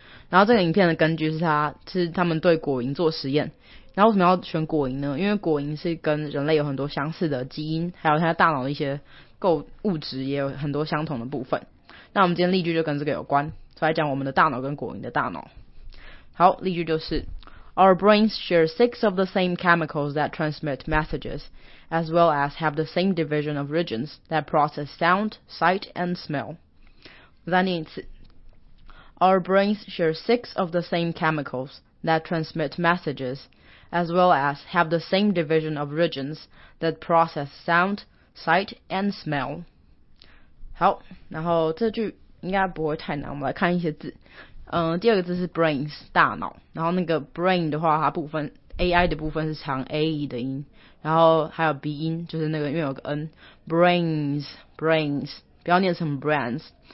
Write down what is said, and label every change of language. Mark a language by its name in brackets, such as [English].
[Chinese] 然后这个影片的根据是他们对果蝇做实验。然后为什么要选果蝇呢？因为果蝇是跟人类有很多相似的基因，还有他大脑的一些构物质也有很多相同的部分。那我们今天例句就跟这个有关，所以来讲我们的大脑跟果蝇的大脑。好，例句就是 [English] Our brains share 6 of the same chemicals that transmit messages, as well as have the same division of regions that process sound, sight, and smell. [Chinese] 再念一次。 [English] Our brains share 6 of the same chemicals that transmit messages, as well as have the same division of regions that process sound, sight, and smell. [Chinese] 好，然后这句应该不会太难，我们来看一些字。第二个字是 brains， 大脑。然后那个 brain 的话，它部分 AI 的部分是长 AE 的音，然后还有 B 音，就是那个因为有个 N，brains， 不要念成 brands。